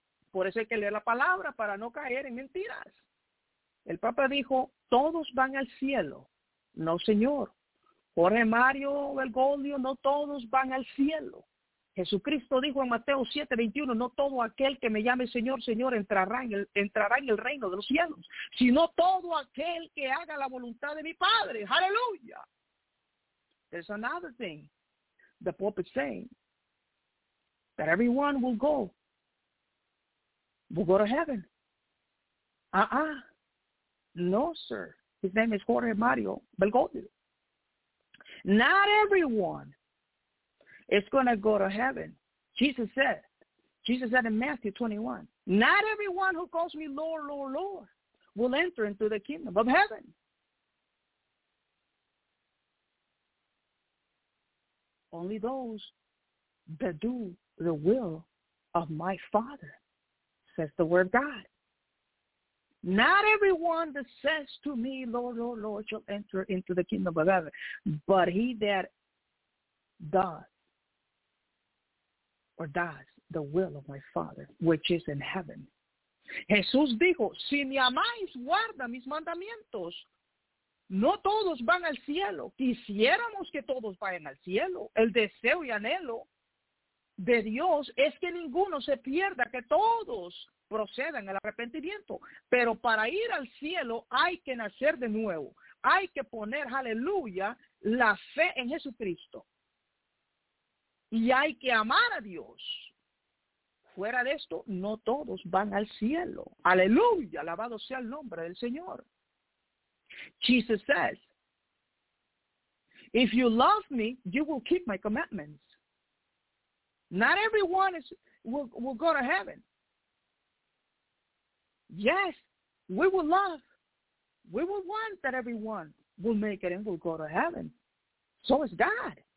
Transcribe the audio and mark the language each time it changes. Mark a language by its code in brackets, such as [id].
[es] Por eso hay que leer la palabra para no caer en mentiras. El Papa dijo, todos van al cielo. No, señor. Jorge Mario Bergoglio, no todos van al cielo. Jesucristo dijo en Mateo 7:21, no todo aquel que me llame Señor, Señor entrará en el reino de los cielos, sino todo aquel que haga la voluntad de mi Padre. ¡Aleluya! [en] There's another thing the Pope is saying, that everyone will go to heaven. No, sir. His name is Jorge Mario Bergoglio. Not everyone. It's going to go to heaven. Jesus said in Matthew 21, not everyone who calls me Lord, Lord, Lord will enter into the kingdom of heaven. Only those that do the will of my Father, says the Word of God. Not everyone that says to me, Lord, Lord, Lord, shall enter into the kingdom of heaven, but he that does. Or does the will of my Father, which is in heaven. [es] Jesús dijo, si me amáis, guarda mis mandamientos. No todos van al cielo. Quisiéramos que todos vayan al cielo. El deseo y anhelo de Dios es que ninguno se pierda, que todos procedan al arrepentimiento. Pero para ir al cielo hay que nacer de nuevo. Hay que poner, aleluya, la fe en Jesucristo. Y hay que amar a Dios. Fuera de esto, no todos van al cielo. Aleluya, alabado sea el nombre del Señor. [en] Jesus says, if you love me, you will keep my commandments. Not everyone will go to heaven. Yes, we will love. We will want that everyone will make it and will go to heaven. So is God.